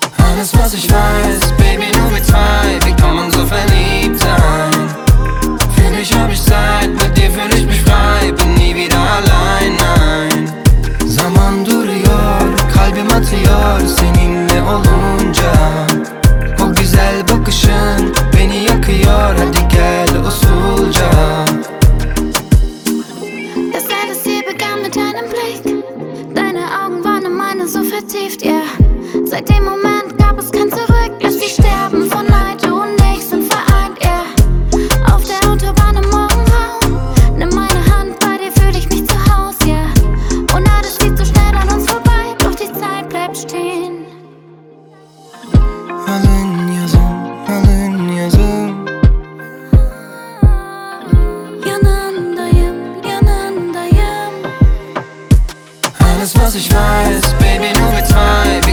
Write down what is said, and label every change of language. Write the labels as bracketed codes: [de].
[de] Alles, was ich weiß, Baby, nur wir zwei, wie kann man so verliebt sein? Für dich hab ich Zeit, mit dir fühl ich mich frei, bin nie wieder allein, nein. [tr] Zaman duruyor, kalbim atıyor, seninle olunca. O güzel bakışın beni yakıyor, hadi gel usulca. [de] Das alles hier begann mit deinem Blick. Deine Augen waren in meine so vertieft, yeah. Seit dem Moment gab es kein Zurück. Lass dich sterben von Neid, du und ich sind vereint, yeah. Auf der Autobahn im Morgenraum, nimm meine Hand, bei dir fühl ich mich zu Haus, yeah. Und alles geht so schnell an uns vorbei, doch die Zeit bleibt stehen. Alle in ihr Sinn, alle in ihr Sinn. [tr] Yanandayım, yanandayım. [de] Alles, was ich weiß, Baby, nur wir zwei.